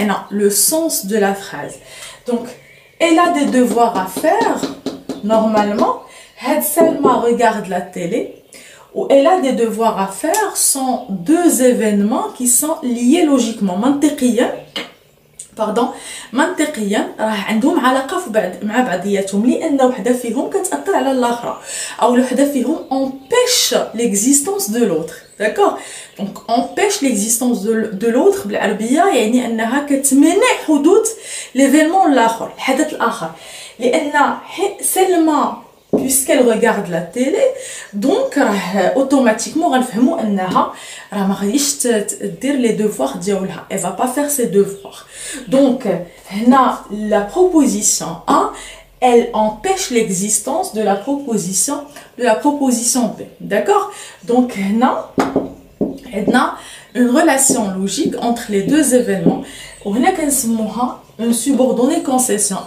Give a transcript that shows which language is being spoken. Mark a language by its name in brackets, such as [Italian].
[French] Le sens de la phrase. Donc, elle a des devoirs à faire, normalement. Selma regarde la télé. Ou elle a des devoirs à faire sont deux événements qui sont liés logiquement. Pardon, [Arabic] منطقيا راه عندهم علاقة في بعض مع بعضياتهم لأن وحدة فيهم كتأثر على الأخرى أو الوحدة فيهم [French] empêche l'existence de l'autre. D'accord? Donc empêche l'existence de l'autre [Arabic] بالعربية يعني أنها كتمنع حدوث [French] l'événement [Arabic] الآخر الحدث الآخر لأن سلمى [French] puisqu'elle regarde la télé donc automatiquement [Arabic] غنفهموا انها راه ما غاديش تدير لي devoirs ديالها [French] elle va pas faire ses devoirs donc [Arabic] هنا [French] la proposition A elle empêche l'existence de la proposition B d'accord donc [Arabic] هنا عندنا [French] une relation logique entre les deux événements [Arabic] وهنا كنسموها [French] une subordonnée concession.